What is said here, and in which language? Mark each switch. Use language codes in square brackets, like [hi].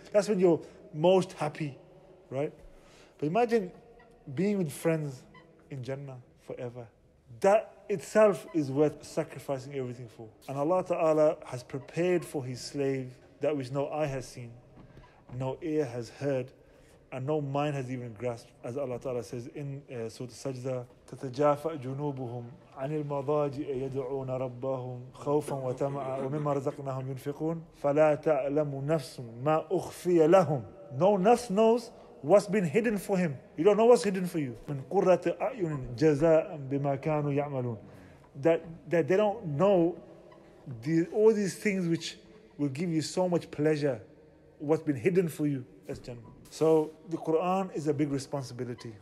[en] That's when you're most happy, right? But imagine being with friends in Jannah forever. That itself is worth sacrificing everything for. And Allah Ta'ala has prepared for His slave that which no eye has seen, no ear has heard, and no mind has even grasped. As Allah Ta'ala says in Surah Sajda, [ar] تَتَجَافَ جُنُوبُهُمْ عَنِ الْمَضَاجِئِ يَدْعُونَ رَبَّهُمْ خَوْفًا وَتَمَعًا وَمِمَّا رَزَقْنَاهُمْ يُنْفِقُونَ فَلَا تَعْلَمُ نَفْسٌ مَا أُخْفِيَ لَهُمْ. [en] No nafs knows what's been hidden for him. You don't know what's hidden for you. [ar] مِنْ قُرَّةِ أَعْيُنٍ جَزَاءً بِمَا كَانُوا يَعْمَلُونَ. [en] That they don't know all these things which will give you so much pleasure. What's been hidden for you. That's Jannah. So the Quran is a big responsibility.